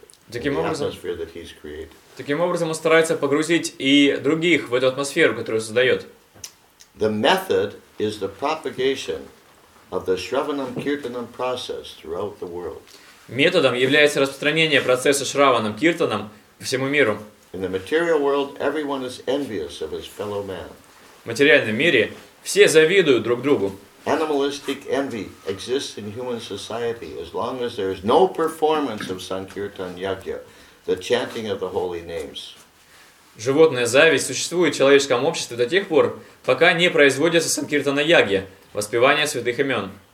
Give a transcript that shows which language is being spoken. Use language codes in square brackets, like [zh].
[ru] Таким образом, он старается погрузить и других в эту атмосферу, которую создает. [en] The method is the propagation of the Shravanam Kirtanam process throughout the world. [ru] Методом является распространение процесса Шраванам, Киртанам по всему миру. В материальном мире все завидуют друг другу. [en] Animalistic envy exists in human society as long as there is no performance of Sankirtan Yajna, the chanting of the holy names. [ru] Животная зависть существует в человеческом обществе до тех пор, пока не производится Санкиртана Яги, воспевание святых имен.